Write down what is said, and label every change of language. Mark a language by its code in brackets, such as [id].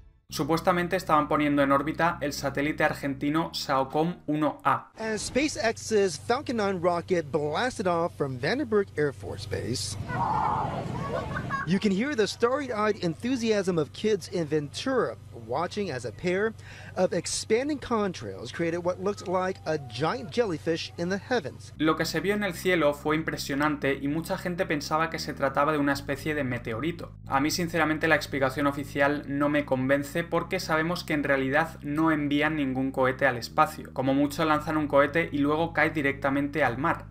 [es] Supuestamente estaban poniendo en órbita el satélite argentino SAOCOM 1A. [en] As SpaceX's Falcon 9 rocket blasted off from Vandenberg Air Force Base, you can hear the starry-eyed enthusiasm of kids in Ventura watching as a pair of expanding contrails created what looked like a giant jellyfish in the heavens. [es] Lo que se vio en el cielo fue impresionante y mucha gente pensaba que se trataba de una especie de meteorito. A mí sinceramente la explicación oficial no me convence porque sabemos que en realidad no envían ningún cohete al espacio. Como mucho lanzan un cohete y luego cae directamente al mar.